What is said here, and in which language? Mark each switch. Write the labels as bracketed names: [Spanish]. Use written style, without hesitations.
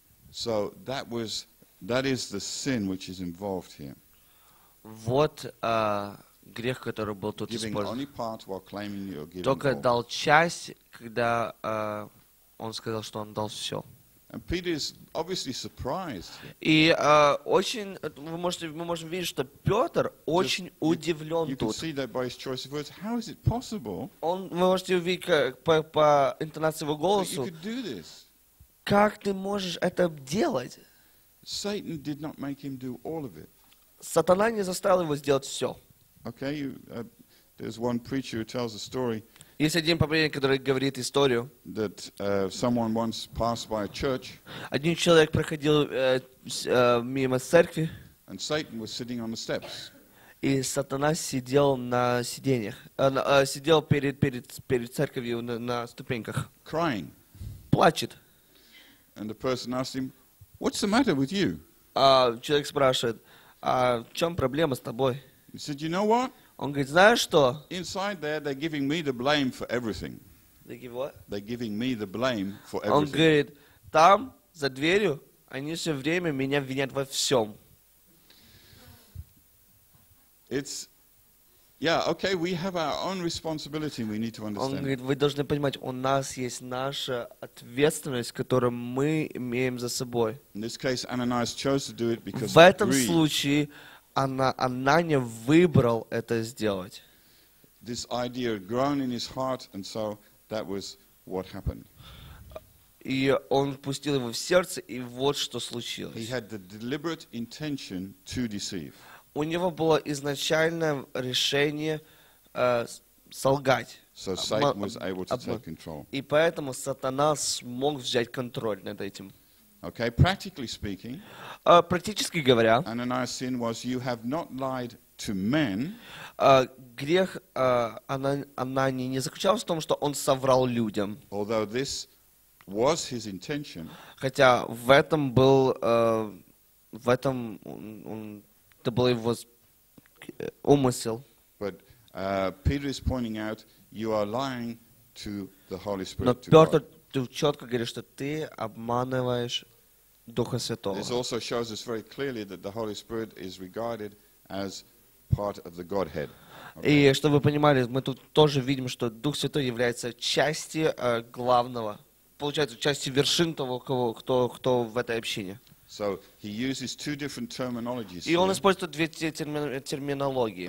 [English] So that is the sin which is involved here. [Russian] Вот грех, который был тут [English] giving [Russian] использован. [English] Only part while claiming you're giving [Russian] Только [English] all. [Russian] Дал часть, когда он сказал, что он дал все. [English] And Peter is obviously surprised. [Russian] И мы можем видеть, что Петр очень удивлен тут. [English] You can see that by his choice of words. How is it possible? [Russian] Вы можете увидеть по интонации его голоса. Как ты можешь это делать? [English] Satan did not make him do all of it. [Russian] Сатана не заставил его сделать все. [English] Okay, there's one preacher who tells a story. [Russian] Есть один проповедник, который говорит историю. [English] That someone once passed by a church. [Russian] Один человек проходил мимо церкви. [English] And Satan was sitting on the steps. [Russian] И Сатана сидел на сиденьях, сидел перед церковью на ступеньках. [English] Crying. [Russian] Плачет. [English] And the person asked him, "What's the matter with you?" [Russian] Человек спрашивает, а в чем проблема с тобой? [English] He said, "You know what?" [Russian] Он говорит, знаешь что? [English] Inside there, they're giving me the blame for everything. They give what? They're giving me the blame for everything. [Russian] Он говорит, там за дверью они все время меня винят во всем. [English] It's, yeah, okay. We have our own responsibility. We need to understand. [Russian] Он говорит, вы должны понимать, у нас есть наша ответственность, которую мы имеем за собой. [English] In this case, Ananias chose to do it because [Russian] в этом случае. Ананья выбрал это сделать. И он впустил его в сердце, и вот что случилось. [English] He had the deliberate intention to deceive. [Russian] У него было изначальное решение солгать. [English] So Satan was able to take control. [Russian] И поэтому Сатана смог взять контроль над этим. [English] Okay, practically speaking, [Russian] практически говоря, [English] Ananias' sin was you have not lied to men. [Russian] Грех Анании не заключался в том, что он соврал людям. [English] Although this was his intention. [Russian] Хотя в этом был в этом это был его умысел. [English] But Peter is pointing out you are lying to the Holy Spirit. [Russian] Но Петр четко говорит, что ты обманываешь. [English] This also shows us very clearly that the Holy Spirit is regarded as part of the Godhead. [Russian] И чтобы вы понимали, мы тут тоже видим, что Дух Святой является частью главного, получается, частью вершин того, кто в этой общине. [English] So he uses two different terminologies. [Russian] И он использует две терминологии.